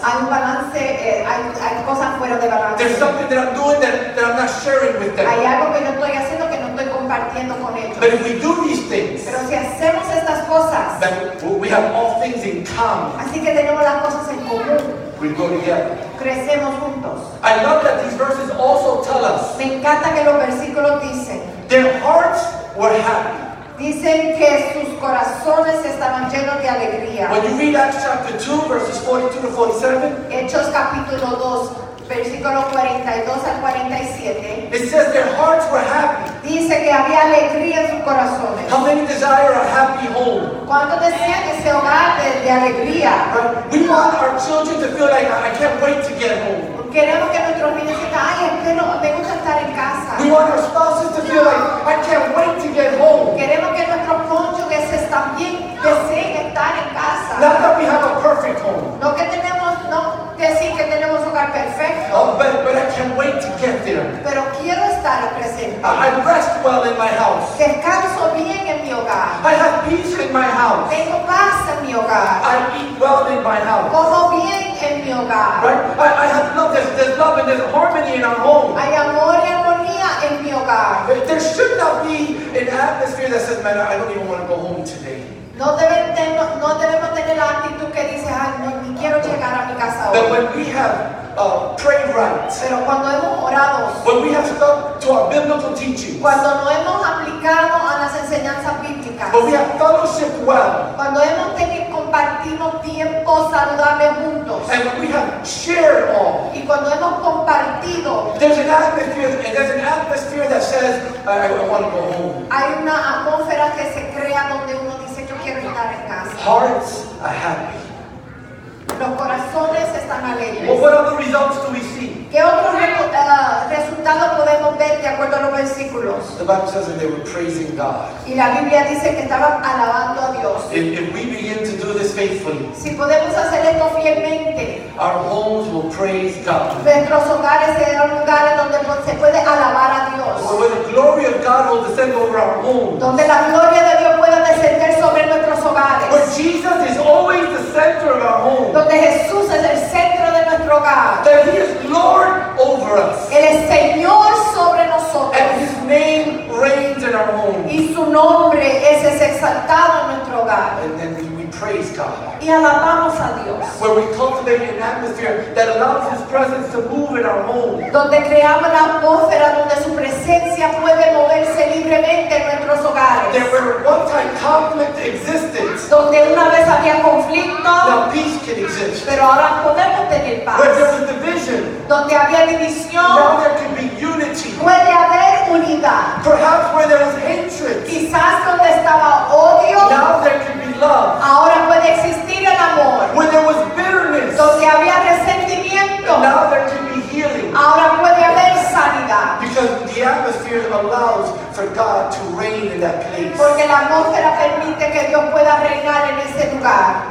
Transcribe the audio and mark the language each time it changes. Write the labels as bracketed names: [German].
[Spanish] Hay un balance, hay cosas fuera de balance. [English] There's something that I'm doing that I'm not sharing with them. [Spanish] Hay algo que yo estoy haciendo que no estoy compartiendo con ellos. [English] But if we do these things, [Spanish] pero si hacemos estas cosas, [English] then we have all things in common. [Spanish] Así que tenemos las cosas en común. [English] We go together. [Spanish] Crecemos juntos. [English] I love that these verses also tell us. [Spanish] Me encanta que los versículos dicen. [English] Their hearts were happy. [Spanish] Dicen que sus corazones estaban llenos de alegría. [English] When you read Acts chapter 2, verses 42 to 47, [Spanish] Hechos capítulo 2, versículo 42 al 47, [English] it says their hearts were happy. [Spanish] Dice que había alegría en sus corazones. [English] How many desire a happy home? [Spanish] ¿Cuántos desean ese hogar de alegría? [English] We want our children to feel like, I can't wait to get home. [Spanish] Queremos que nuestros niños digan, ay, es que no, me gusta estar en casa. [English] We want our spouses to feel like, I can't wait to get home. [Spanish] Queremos que nuestros cónyuges también deseen estar en casa. [English] Not that we have a perfect home. [Spanish] No que tenemos, no decir que tenemos un hogar perfecto. [English] Oh, but I can't wait to get there. [Spanish] Pero quiero estar presente. [English] I rest well in my house. [Spanish] Descanso bien en mi hogar. [English] I have peace in my house. [Spanish] Tengo paz en mi hogar. [English] I eat well in my house. [Spanish] Como bien. En mi hogar. [English] Right? I have love. There's love and there's harmony in our home. [Spanish] Hay amor y armonía en mi hogar. [English] There should not be an atmosphere that says, man, I don't even want to go home today. [Spanish] No debemos tener la actitud que dice, ay, no, ni quiero llegar a mi casa hoy. [English] But when we have prayed right. [Spanish] Pero cuando hemos orado. [English] When we have stuck to our biblical teachings. [Spanish] Cuando no hemos aplicado a las enseñanzas bíblicas. [English] When we have fellowship well. [Spanish] Cuando hemos tenido compartido tiempo saludable juntos. [English] And when we have shared all. [Spanish] Y cuando hemos compartido. [English] There's an atmosphere that says, I want to go home. [Spanish] Hay una atmósfera que se crea donde uno dice, yo quiero estar en casa. [English] Hearts are happy. [Spanish] Los corazones están alegres. [English] Well, what other results do we see? [Spanish] ¿Qué otros resultados podemos ver de acuerdo a los versículos? [English] The Bible says that they were praising God. [Spanish] Y la Biblia dice que estaban alabando a Dios. [English] If we begin to do this faithfully, [Spanish] si podemos hacer esto fielmente, [English] our homes will praise God. [Spanish] Nuestros hogares serán lugares donde se puede alabar a Dios. [English] Where the glory of God will descend over our homes. [Spanish] Donde la gloria de Dios pueda descender sobre nuestros hogares. [English] Where Jesus is always the center of our home. [Spanish] Donde Jesús es el centro de nuestro hogar. [English] That He is Lord over us. [Spanish] Él es Señor sobre nosotros. [English] And His name reigns in our home. [Spanish] Y su nombre es exaltado en nuestro hogar. [English] And then we praise God. [Spanish] Y alabamos a Dios. [English] Where we cultivate an atmosphere that allows His presence to move in our home. [Spanish] Donde creamos la atmósfera donde su presencia puede moverse libremente en nuestros hogares. [English] There were one time conflict existed. [Spanish] Donde una vez había conflicto. [English] Now peace can exist. [Spanish] Pero ahora podemos tener paz. [English] Where there was division. [Spanish] Donde había división. [English] Now there can be unity. [Spanish] Puede haber comunidad. [English] Perhaps where there was hatred. [Spanish] Quizás donde estaba odio. [English] Now there can be love. [Spanish] Ahora puede existir el amor. [English] When there was bitterness. [Spanish] Donde había resentimiento. [English] Now there can be healing. [Spanish] Ahora puede haber sanidad. [English] Because the atmosphere allows for God to reign in that place. [Spanish] Porque la atmósfera permite que Dios pueda reinar en ese lugar.